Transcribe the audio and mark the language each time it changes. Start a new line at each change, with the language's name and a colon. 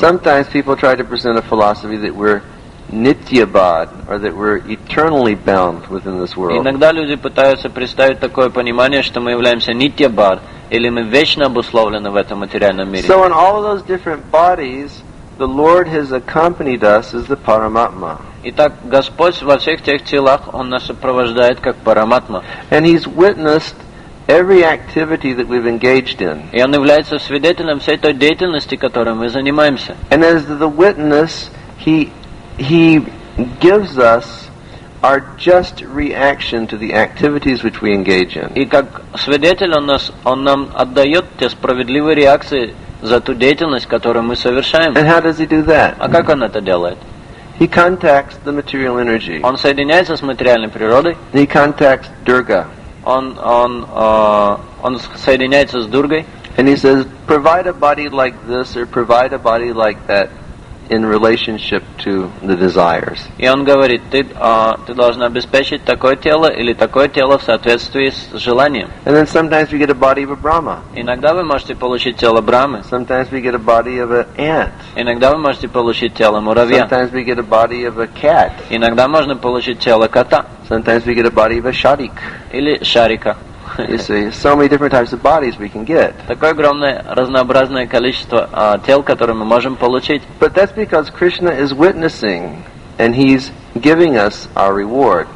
English: Sometimes people try to present a philosophy that we're Nityabad, or that we're eternally bound within this world.
Russian: Иногда люди пытаются представить такое понимание, что мы являемся нитьябад, или мы вечно обусловлены в этом материальном мире.
English: So in all of those different bodies, the Lord has accompanied us as the Paramatma.
Russian: Итак, Господь во всех тех телах, Он нас сопровождает как Параматма.
English: And He's witnessed every activity that we've engaged in.
Russian: И Он является свидетелем всей той деятельности, которой мы занимаемся.
English: And as the witness, He gives us our just reaction to the activities which we engage in.
Russian: И как свидетель он нам отдает те справедливые реакции за ту деятельность, которую мы совершаем.
English: And how does he do that?
Russian: А как он это делает?
English: He contacts the material energy.
Russian: Он соединяется с материальной природой.
English: He contacts Durga.
Russian: Он соединяется с Дургой.
English: And he says, provide a body like this or provide a body like that. In relationship to the desires.
Russian: И он говорит, ты должен обеспечить такое тело или такое тело в соответствии с желанием.
English: And then sometimes we get a body of a Brahma.
Russian: Иногда вы можете получить тело Брамы.
English: Sometimes we get a body of an ant.
Russian: Иногда вы можете получить тело муравья.
English: Sometimes we get a body of a cat.
Russian: Иногда можно получить тело кота.
English: Sometimes we get a body of a sharik.
Russian: Или шарика.
English: You see, so many different types of bodies we can get.
Russian: Такое огромное разнообразное количество тел, которые мы можем получить.
English: But that's because Krishna is witnessing, and He's giving us our reward.